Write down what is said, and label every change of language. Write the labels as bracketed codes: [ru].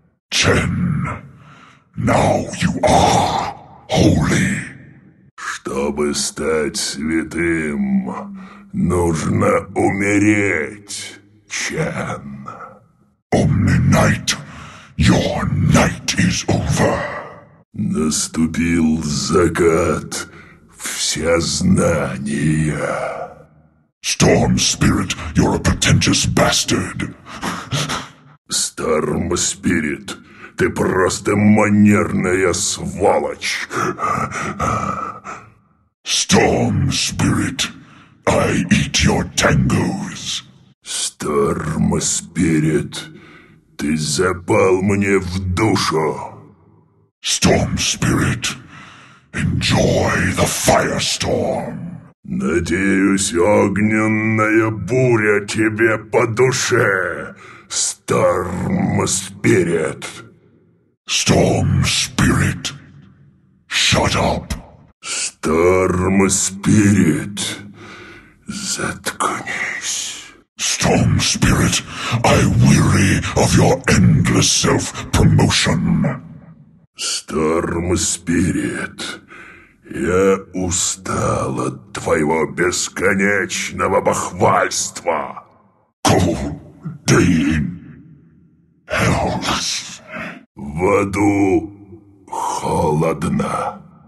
[en] Чен, now you are holy. [ru] Чтобы стать святым, нужно умереть, Чен. [en] Omni-Knight, your night is over. [ru] Наступил закат всезнания. [en] Storm Spirit, you're a pretentious bastard. [ru] Storm Spirit, ты просто манерная сволочь. [en] Storm Spirit, I eat your tangos. [ru] Storm Spirit, ты запал мне в душу. [en] Storm Spirit, enjoy the firestorm. [ru] Надеюсь, огненная буря тебе по душе, Storm Spirit. [en] Storm Spirit, shut up. [ru] Storm Spirit, заткнись. [en] Storm Spirit, I weary of your endless self-promotion. [ru] Storm Spirit, я устал от твоего бесконечного бахвальства. [en] Cold day in hells. [ru] В аду холодно.